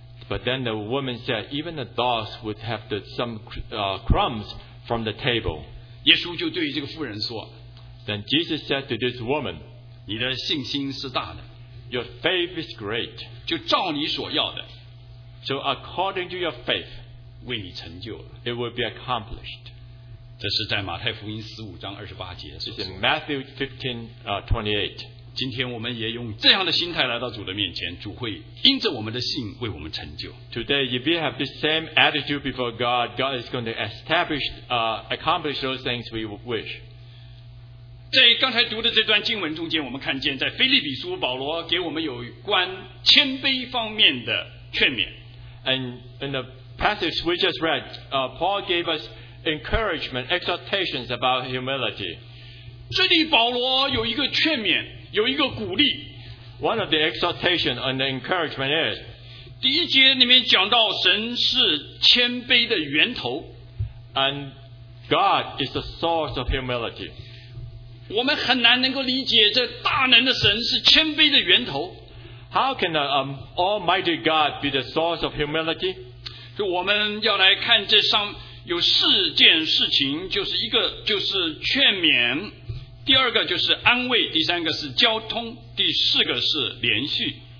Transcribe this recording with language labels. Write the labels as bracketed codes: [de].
[en] But then the woman said, even the dogs would have the, some crumbs from the table. [zh] 耶稣就对这个妇人说, [en] Then Jesus said to this woman, [zh] 你的信心是大的, [en] Your faith is great. [zh] 就照你所要的, [en] So according to your faith, [zh] 为你成就了, [en] it will be accomplished. [zh] 这是在马太福音十五章二十八节所说, [en] This is Matthew 15:28. [zh] 今天我们也用这样的心态来到主的面前，主会因着我们的信为我们成就。 [en] Today, if we have the same attitude before God, God is going to establish, accomplish those things we wish. [zh] 在刚才读的这段经文中间，我们看见在腓立比书，保罗给我们有关谦卑方面的劝勉。 [en] And in the passage we just read, Paul gave us encouragement, exhortations about humility. [zh] 这里保罗有一个劝勉。有一个鼓励。 [en] One of the exhortation and the encouragement is. [zh] 第一节里面讲到神是谦卑的源头。 [en] And God is the source of humility. [zh] 我们很难能够理解这大能的神是谦卑的源头。 [en] How can the Almighty God be the source of humility? [zh] 所以我们要来看这上有四件事情，就是一个就是劝勉，第二个就是安慰，第三个是交通，第四个是连续。